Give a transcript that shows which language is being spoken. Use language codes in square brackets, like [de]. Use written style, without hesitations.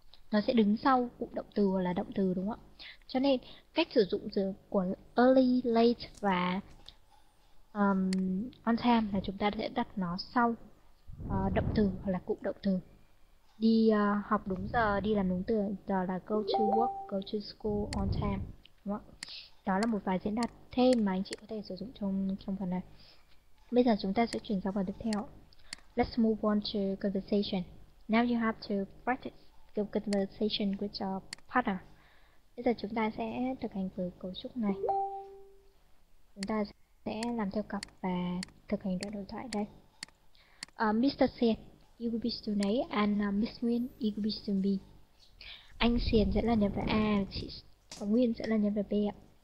[vi] Nó sẽ đứng sau cụm động từ hoặc là động từ đúng không ạ? Cho nên cách sử dụng từ của early, late và on time là chúng ta sẽ đặt nó sau động từ hoặc là cụm động từ. Đi học đúng giờ, đi làm đúng từ giờ là [en] go to work, go to school on time. [vi] Đúng không? Đó là một vài diễn đạt thêm mà anh chị có thể sử dụng trong phần này. Bây giờ chúng ta sẽ chuyển sang phần tiếp theo. [en] Let's move on to conversation. Now you have to practice the conversation with your partner. [vi] Bây giờ chúng ta sẽ thực hành với cấu trúc này. Chúng ta sẽ làm theo cặp và thực hành đoạn đối thoại đây. [en] Mr. Xian, you will be student A and Miss Nguyên, you will be student B. [vi] Anh Xian sẽ là nhân vật A, chị Nguyên sẽ là nhân vật B ạ.